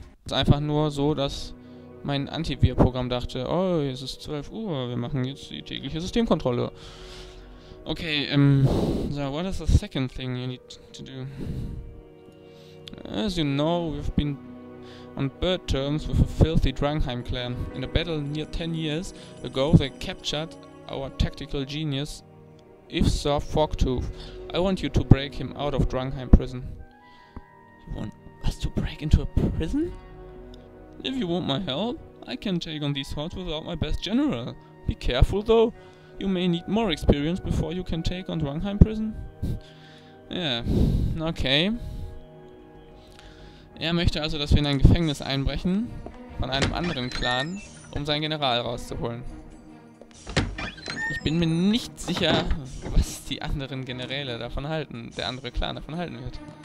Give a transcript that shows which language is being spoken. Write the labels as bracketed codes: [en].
[de] Einfach nur so, dass mein Antivirus-Programm dachte, oh, es ist 12 Uhr, wir machen jetzt die tägliche Systemkontrolle. [en] Okay, so what is the second thing you need to do? As you know, we've been on bad terms with a filthy Drangheim clan. In a battle near 10 years ago, they captured our tactical genius, Ifsor Forktooth. I want you to break him out of Drangheim prison. You want us to break into a prison? If you want my help, I can take on these hordes without my best general. Be careful though, you may need more experience before you can take on Drangheim prison. Yeah, okay. [de] Er möchte also, dass wir in ein Gefängnis einbrechen, von einem anderen Clan, um seinen General rauszuholen. Ich bin mir nicht sicher, was die anderen Generäle davon halten, der andere Clan davon halten wird.